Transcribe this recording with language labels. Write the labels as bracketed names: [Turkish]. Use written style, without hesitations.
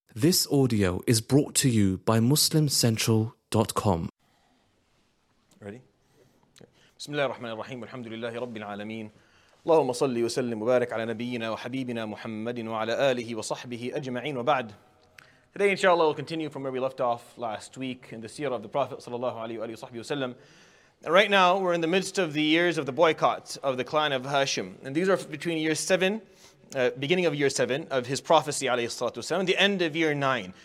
[English] This audio is brought to you by MuslimCentral.com. Ready? [Arabic] بسم الله الرحمن الرحيم والحمد لله رب العالمين اللهم صل وسلم وبارك على نبينا وحبيبنا محمد وعلى آله وصحبه أجمعين وبعد. [English] Today inshallah we'll continue from where we left off last week in the seerah of the Prophet [Arabic] صلى الله عليه وآله وصحبه وسلم. [English] And right now we're in the midst of the years of the boycott of the clan of Hashim. And these are between year 7 beginning of year 7 of his prophecy, alayhi salatu wasalam, the end of year 9.